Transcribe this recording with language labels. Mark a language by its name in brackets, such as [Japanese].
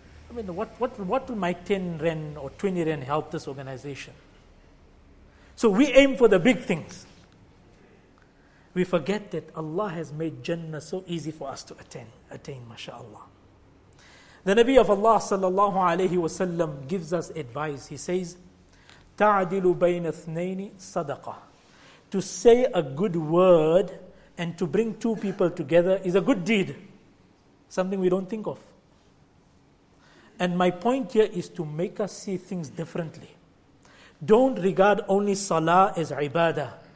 [English] I mean, what will my 10 ren or 20 ren help this organization? So we aim for the big things. We forget that Allah has made Jannah so easy for us to attain, mashallah. The Nabi of Allah sallallahu alayhi wa sallam gives us advice. He says, [Arabic] تَعْدِلُ بَيْنَ اثْنَيْنِ صَدَقَةً. [English] To say a good word and to bring two people together is a good deed. Something we don't think of. And my point here is to make us see things differently. Don't regard only salah as ibadah.